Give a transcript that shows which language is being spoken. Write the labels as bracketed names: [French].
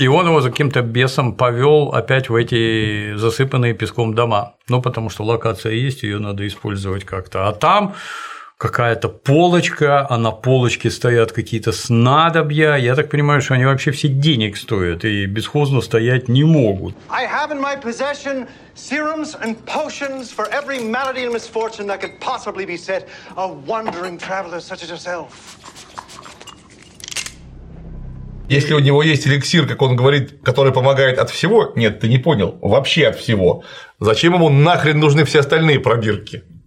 [Russian] И он его за каким-то бесом повел опять в эти засыпанные песком дома. Ну, потому что локация есть, ее надо использовать как-то. А там какая-то полочка, а на полочке стоят какие-то снадобья. Я так понимаю, что они вообще все денег стоят и бесхозно стоять не могут. [English] I have in my possession serums and potions for every malady and misfortune that could possibly beset a wandering traveler such as yourself. [Russian] Если у него есть эликсир, как он говорит, который помогает от всего, нет, ты не понял, вообще от всего. Зачем ему нахрен нужны все остальные пробирки?